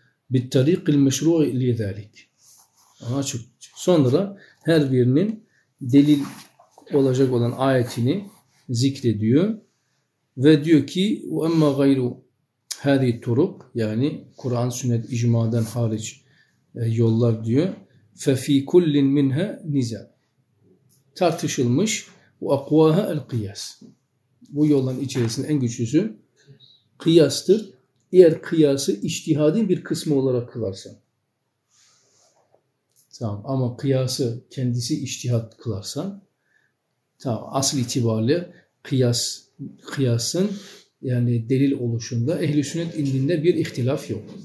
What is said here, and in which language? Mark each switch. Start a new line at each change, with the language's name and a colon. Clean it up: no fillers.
Arabic: بِالطَّرِيقِ الْمَشْرُوِ لِذَٰلِكَ. Açık.
Turkish: Sonra her birinin delil olacak olan ayetini zikrediyor ve diyor ki
Arabic: وَاَمَّا غَيْرُ هَذِي تُرُقْ,
Turkish: yani Kur'an, sünnet, icmadan hariç yollar diyor.
Arabic: فَف۪ي كُلِّنْ مِنْهَا نِزَى,
Turkish: tartışılmış.
Arabic: وَاَقْوَاهَا الْقِيَاسِ,
Turkish: bu yolların içerisinde en güçlüsü kıyastır. Eğer kıyası içtihadin bir kısmı olarak kılarsan. Tamam, ama kıyası kendisi içtihat kılarsan, tamam, asıl itibariyle kıyasın yani delil oluşunda ehl-i sünnet indinde bir ihtilaf yok.